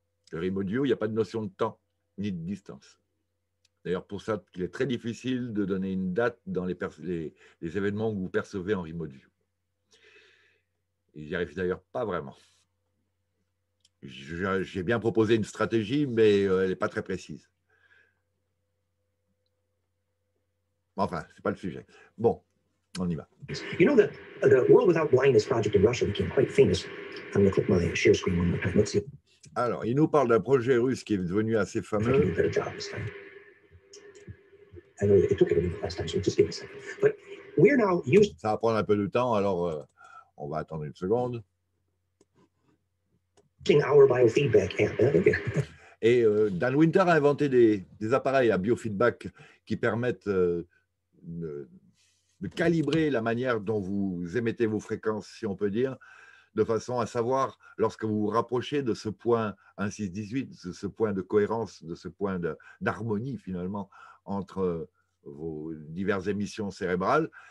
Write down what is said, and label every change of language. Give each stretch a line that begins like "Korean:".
French: Le remote view, il n'y a pas de notion de temps, ni de distance. D'ailleurs, pour ça, il est très difficile de donner une date dans les événements que vous percevez en remote view. Ils n'y arrivent d'ailleurs pas vraiment. J'ai bien proposé une stratégie, mais elle n'est pas très précise. Enfin, ce n'est pas le sujet. Bon, on y va.
English: You know, the World Without Blindness project in Russia became quite famous. I'm going to click my share screen one more time. Let's see.
French: Alors, il nous parle d'un projet russe qui est devenu assez fameux.
English: I know it took a little bit last time, so just give me a second. But we are now used...
French: Ça va prendre un peu de temps, alors on va attendre une seconde.
English: ...our biofeedback app.
French: Et Dan Winter a inventé des appareils à biofeedback qui permettent de calibrer la manière dont vous émettez vos fréquences, si on peut dire, de façon à savoir, lorsque vous vous rapprochez de ce point 1,6,18, de ce point de cohérence, de ce point d'harmonie, finalement, entre vos diverses émissions cérébrales,